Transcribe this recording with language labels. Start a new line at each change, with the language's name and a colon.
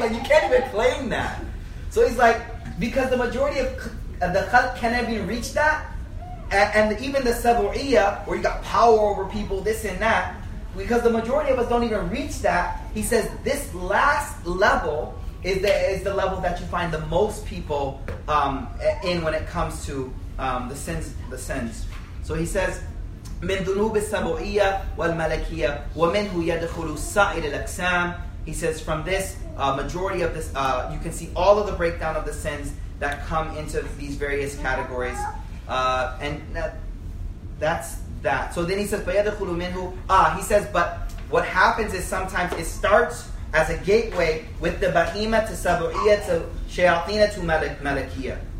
English: Like, you can't even claim that. So he's like, because the majority of the khalq cannot even reach that, and even the sabu'iyya, where you got power over people, this and that, because the majority of us don't even reach that, he says this last level is the level that you find the most people in when it comes to the sins. So he says,
Arabic: من ذنوب السبعية والملكية ومنه يدخل سائر الأقسام.
English: He says from this majority of this, you can see all of the breakdown of the sins that come into these various categories, and that's that. So then he says,
Arabic: بيدخل منه.
English: He says, but what happens is sometimes it starts as a gateway with the بهيمة to سبعية to شياطين to ملكية.